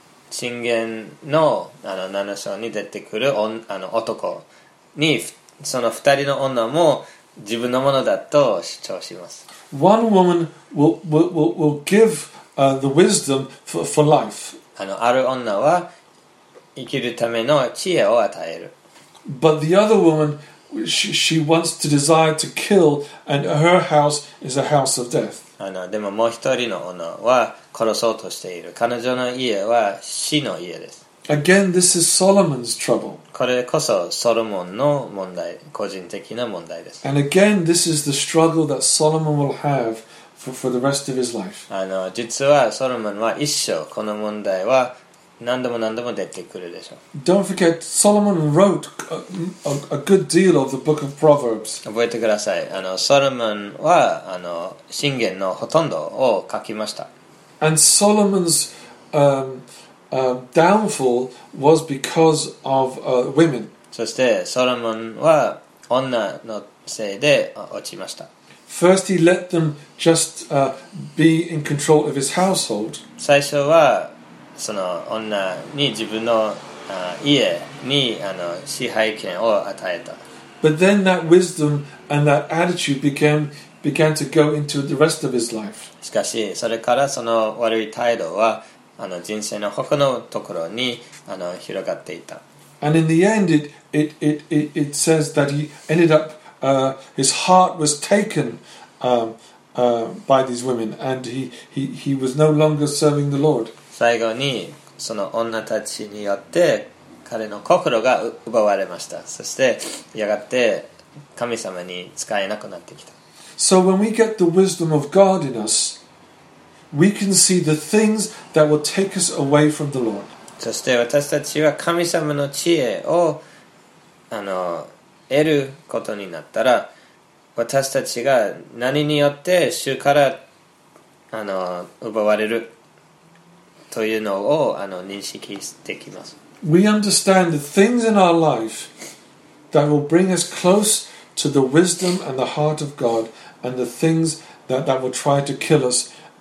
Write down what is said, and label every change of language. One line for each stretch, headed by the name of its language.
Japanese: 神言の七章に出てくる男にその二人の女も自分のものだと主張します。
English: One woman will give the wisdom for life.
Japanese: ある女は生きるための知恵を与える。
English: But the other woman, she wants to desire to kill, and her house is a house of death.
Japanese: でももう一人の女は殺そうとしている。彼女の家は死の家です。
English: Again, this is Solomon's trouble.
Japanese: これこそソロモンの問題、個人的な問題です。
English: And again, this is the struggle that Solomon will have for the rest of his life.
Japanese: 実はソロモンは一生この問題は何度も何度も出てくるでしょう。
English: Don't forget, Solomon wrote a good deal of the book of Proverbs.
Japanese: 覚えてください。ソロモンは箴言のほとんどを書きました。
English: And Solomon's downfall was because of women.
Japanese: そしてソロモンは女のせいで落ちました。
English: First he let them just be in control of his household.
Japanese: 最初はその女に自分の家に支配権を与えた。
English: But then that wisdom and that attitude began to go into the rest of his life.
Japanese: しかしそれからその悪い態度は人生の他のところに広がっていた。
English: And in the end, it says that he ended up, his heart was taken by these women, and he was no longer serving the Lord.
Japanese: 最後にその女たちによって彼の心が奪われました。そしてやがて神様に使えなくなってきた。
English: So when we get the wisdom of God in us,We can see the things that will take us away from the Lord.
Japanese: そして私たちは神様の知恵を得ることになったら、私たちが何によって主から奪われるというのを認識できます。
English: We understand the things in our life that will bring us close to the wisdom and the heart of God, and the things that will try to kill us.